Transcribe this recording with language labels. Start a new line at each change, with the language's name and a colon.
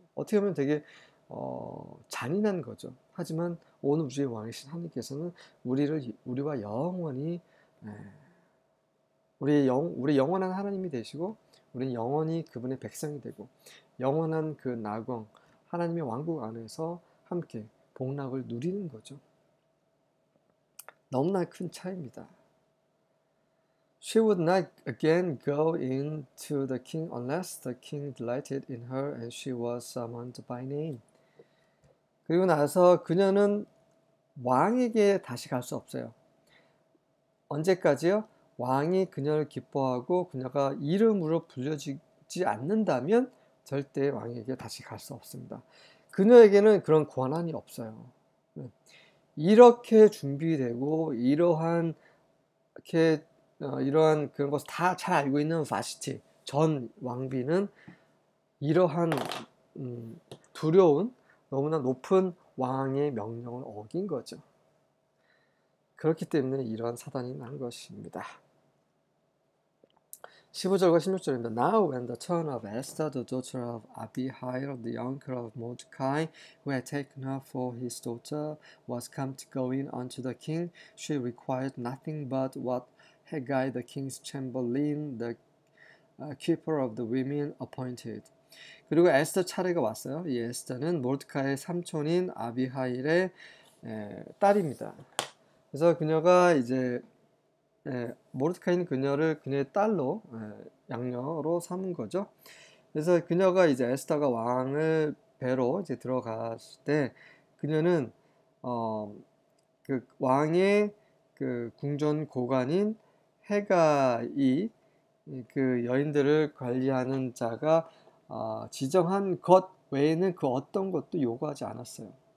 Korean: 어떻게 보면 되게 잔인한 거죠. 하지만 온 우주의 왕이신 하나님께서는 우리와 영원히 우리 영원한 하나님이 되시고 우리는 영원히 그분의 백성이 되고 영원한 그 나궁 하나님의 왕국 안에서 함께 복락을 누리는 거죠. 너무나 큰 차이입니다.
English: She would not again go in to the king unless the king delighted in her and she was summoned by name.
Korean: 그리고 나서 그녀는 왕에게 다시 갈수 없어요. 언제까지요? 왕이 그녀를 기뻐하고 그녀가 이름으로 불려지지 않는다면 절대 왕에게 다시 갈수 없습니다. 그녀에게는 그런 권한이 없어요. 이렇게 준비되고 이러한 그런 것을 다잘 알고 있는 바시티 전 왕비는 이러한 두려운 너무나 높은 왕의 명령을 어긴 거죠. 그렇기 때문에 이러한 사단이 난 것입니다. 15절과 16절입니다.
English: Now when the turn of Esther, the daughter of Abihail, the uncle of Mordecai, who had taken her for his daughter, was come to go in unto the king, she required nothing but what Haggai, the king's chamberlain, the keeper of the women appointed.
Korean: 그리고 에스더 차례가 왔어요. 이 에스더는 모르드카의 삼촌인 아비하일의 딸입니다. 그래서 그녀가 이제 모르드카이는 그녀를 그녀의 딸로 양녀로 삼은 거죠. 그래서 그녀가 이제 에스더가 왕을 뵈러 이제 들어갔을 때 그녀는 그 왕의 그 궁전 고관인 해가이 그 여인들을 관리하는 자가 지정한 것 외에는 그 어떤 것도 요구하지 않았어요.